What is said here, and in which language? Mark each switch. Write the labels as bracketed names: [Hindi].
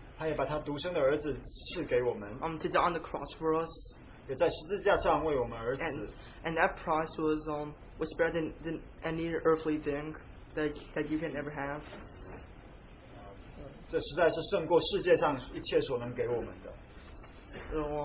[Chinese] 他也把他独生的儿子赐给我们。 [English] To die on the cross for us. [Chinese] 也在十字架上为我们而死。 [English] And that price was better than any earthly thing that you can ever have. [Chinese] 这实在是胜过世界上一切所能给我们的。